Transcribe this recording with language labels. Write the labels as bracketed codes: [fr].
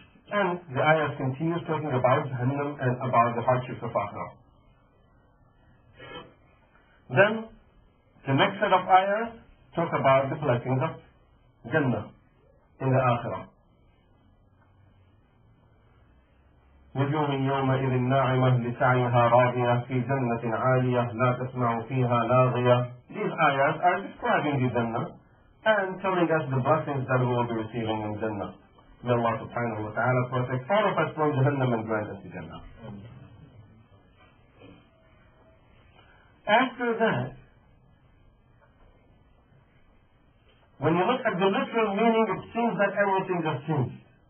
[en] And the ayah continues talking about Jahannam and about the hardships of Ahnaf. Then, the next set of ayahs talk about the blessings of Jannah in the Akhirah. [ar] وجوه يومئذ ناعمة لسعيها راضية في جنة عالية لا تسمع فيها لاغية. [en] These ayahs are describing the Jannah and telling us the blessings that we will be receiving in Jannah. May Allah subhanahu wa ta'ala protect all of us from Jahannam and grant us the Jannah. After that, when you look at the literal meaning, it seems that everything has changed.